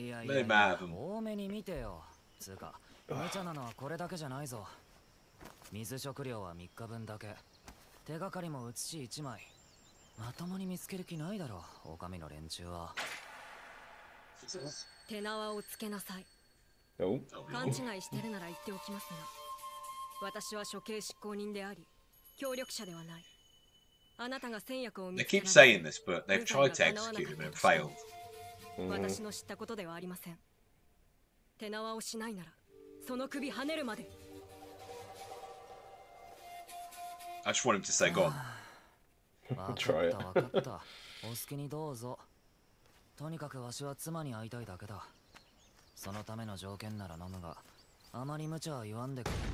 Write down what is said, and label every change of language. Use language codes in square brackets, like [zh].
[ja] いや多めに見てよつーか無茶なのはこれだけじゃないぞ水食料は3日分だけ手がかりも写し1枚まともに見つける気ないだろう女将の連中は手縄をつけなさい勘違いしてるなら言っておきますが私は処刑執行人であり協力者ではないあなたが先約を見つけられ [en] They keep saying this, but they've tried to execute him and failed. [ja] 私の知ったことではありません手縄をしないならその首跳ねるまで [en] I just want him to say, go on. Try it. [ja] お好きにどうぞ。とにかくわしは妻に会いたいだけだ。そのための条件なら飲むが、あまり無茶は言わんでくれ。